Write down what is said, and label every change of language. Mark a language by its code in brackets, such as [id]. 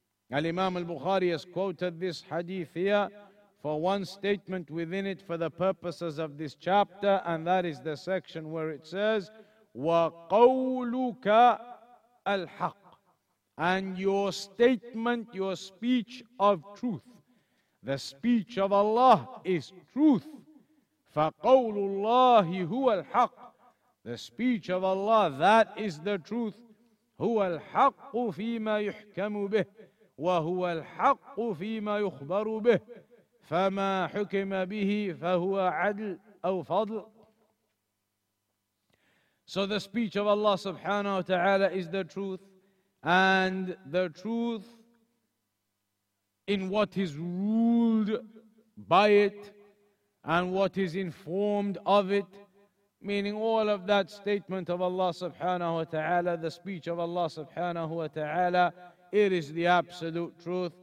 [en] Al-Imam al-Bukhari has quoted this hadith here for one statement within it for the purposes of this chapter, and that is the section where it says, Wa qawluka الحق, and your statement, your speech of truth. The speech of Allah is truth. [ar] فقول الله هو الحق. [en] The speech of Allah, that is the truth. [ar] هو الحق فيما يحكم به وهو الحق فيما يخبر به فما حكم به فهو عدل أو فضل. [en] So the speech of Allah subhanahu wa ta'ala is the truth, and the truth in what is ruled by it and what is informed of it, meaning all of that statement of Allah subhanahu wa ta'ala, the speech of Allah subhanahu wa ta'ala, it is the absolute truth.